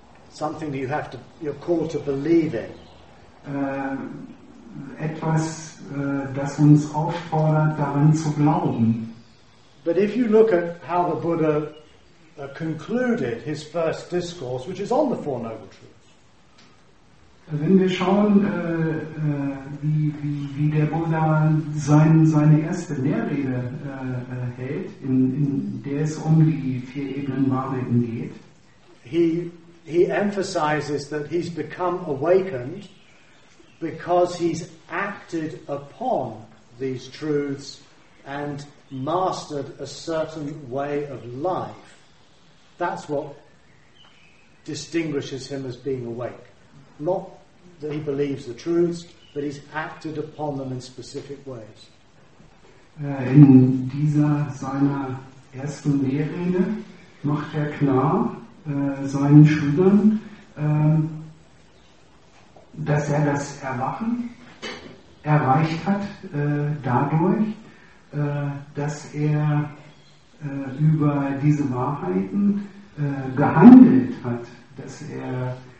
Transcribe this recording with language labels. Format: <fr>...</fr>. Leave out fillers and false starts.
<en>Something you have to, you're called to believe in.</en> <de>Etwas, das uns auffordert, daran zu glauben.</de> <en>But if you look at how the Buddha concluded his first discourse, which is on the Four Noble Truths.</en> <de>Wenn wir schauen, wie der Buddha seine erste Lehrrede hält, in der es um die vier Ebenen Wahrheiten geht,</de> <en>he emphasizes that he's become awakened because he's acted upon these truths and mastered a certain way of life. That's what distinguishes him as being awake. Not that he believes the truths, but he's acted upon them in specific ways.</en> <de>In dieser seiner ersten Lehrrede macht er klar seinen Schülern, dass er das Erwachen erreicht hat dadurch, dass er über diese Wahrheiten gehandelt hat, dass er</de>